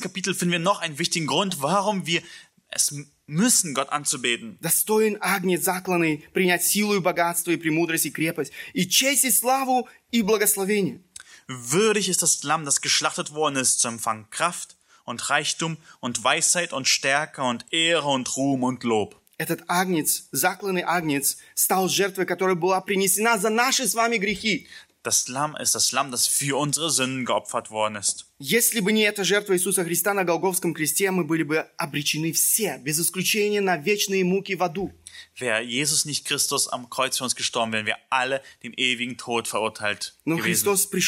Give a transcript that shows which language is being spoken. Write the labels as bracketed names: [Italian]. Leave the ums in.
[German] Kapitel finden wir noch einen wichtigen Grund, warum wir es müssen, Gott anzubeten. [Russian] Достоин Агнец, закланный, принять силу и богатство, и премудрость, и крепость, и честь, и славу, и благословение. [German] Würdig ist das Lamm, das geschlachtet worden ist, zu empfangen Kraft und Reichtum und Weisheit und Stärke und Ehre und Ruhm und Lob. [Russian] этот агнец, закланный агнец, стал жертвой, которая была принесена за наши с вами грехи. [German] Das Lamm ist das Lamm, das für unsere Sünden geopfert worden ist. [Russian] Если бы не эта жертва Иисуса Христа на Голговском кресте, мы были бы обречены все, без исключения, на вечные муки в аду. [German] wäre Jesus nicht Christus am Kreuz für uns gestorben, wären wir alle dem ewigen Tod verurteilt Но gewesen.